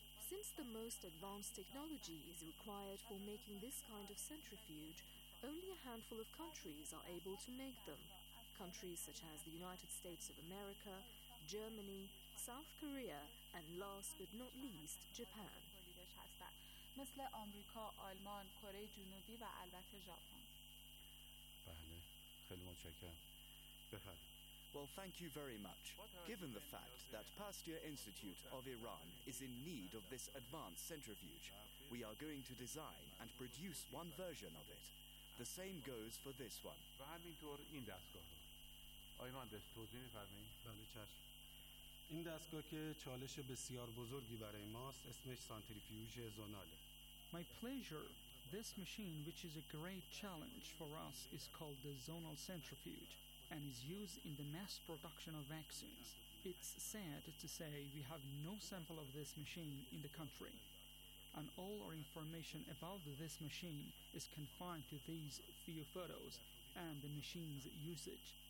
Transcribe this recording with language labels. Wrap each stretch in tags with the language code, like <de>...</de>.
<en>Since the most advanced technology is required for making this kind of centrifuge, only a handful of countries are able to make them. Countries such as the United States of America, Germany, South Korea, and last but not least, Japan.</en> <fa>مثل آمریکا، آلمان، کره جنوبی و البته ژاپن. بله، خیلی متشکرم. بفرمایید.</fa> <en>Well, thank you very much. Given the fact that Pasteur Institute of Iran is in need of this advanced centrifuge, we are going to design and produce one version of it. The same goes for this one.</en> <fa>و همینطور این دستگاه. آقای مهندس، توضیح می‌فرمایید؟ بله، چش. این دستگاه که چالش بسیار بزرگی برای ماست اسمش سانتریفیوژ زوناله.</fa> <en>My pleasure. This machine, which is a great challenge for us, is called the zonal centrifuge and is used in the mass production of vaccines. It's sad to say we have no sample of this machine in the country. And all our information about this machine is confined to these few photos and the machine's usage.</en>